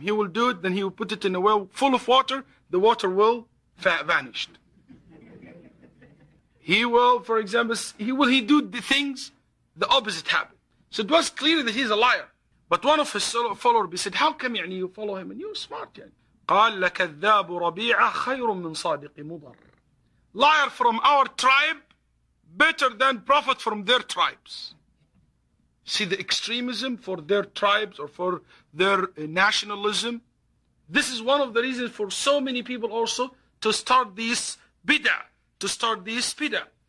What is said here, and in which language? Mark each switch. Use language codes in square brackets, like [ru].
[en] He will do it, then he will put it in a well full of water, the water will vanished. He will, for example, he will do the things, the opposite happen. So it was clear that he's a liar. But one of his followers said, how come you follow him? And you're smart, yeah. [ar] قال لكذاب ربيعة خير من صادق مضر. [en] Liar from our tribe better than prophet from their tribes. See the extremism for their tribes or for their nationalism. This is one of the reasons for so many people also to start this bid'ah, to start this bid'ah.